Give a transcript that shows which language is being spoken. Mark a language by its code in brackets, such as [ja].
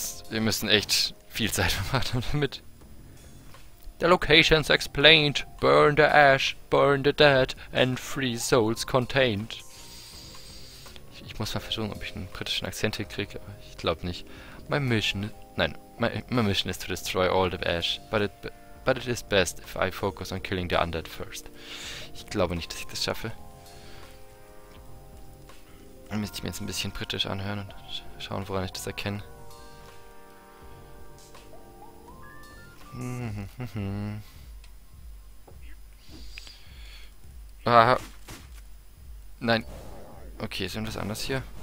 [de] Wir müssen echt viel Zeit verbraten damit. [en] The locations explained. Burn the ash, burn the dead and free souls contained. [de] Ich muss mal versuchen, ob ich einen britischen Akzent hinkriege, aber ich glaube nicht. [en] My mission is, [de] nein, [en] my mission is to destroy all the ash, but it is best if I focus on killing the undead first. [de] Ich glaube nicht, dass ich das schaffe. Dann müsste ich mir jetzt ein bisschen britisch anhören und schauen, woran ich das erkenne. Ah. Nein. Okay, ist irgendwas anders hier?